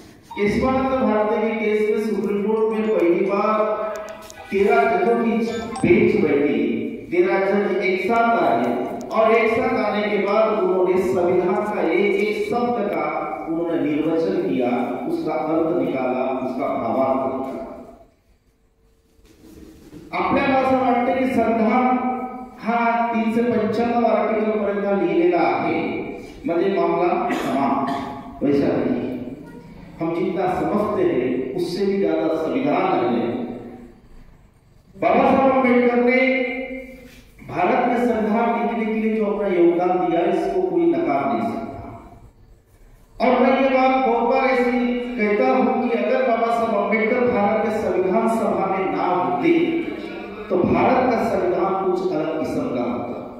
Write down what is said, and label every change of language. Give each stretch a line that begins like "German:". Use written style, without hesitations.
Hindi: केशवानंद भारती के केस में supreme court में पहली बार 13 जजों की बेंच बैठी, 13 जज एक साथ आए और एक साथ आने के बाद उन्होंने संविधान का एक एक शब्द का उन्होंने निर्वचन किया, उसका अर्थ निकाला, उसका भावार्थ निकाला।
Marathi: आपल्या भाषा वाटते की संविधान हा 395 आर्टिकल पर्यंत लिहिलेला आहे म्हणजे
Hindi: मामला समाप्त, वैसा नहीं। हम जितना समझते हैं उससे भी ज्यादा संविधान है। बाबा साहब अम्बेडकर ने भारत में संविधान लिखने के लिए जो अपना योगदान दिया इसको कोई नकार नहीं सकता। और मैं ये बात बहुत बार ऐसी कहता हूं कि अगर बाबा साहब अम्बेडकर भारत के संविधान सभा में ना होते तो भारत का संविधान कुछ अलग किस्म का होता।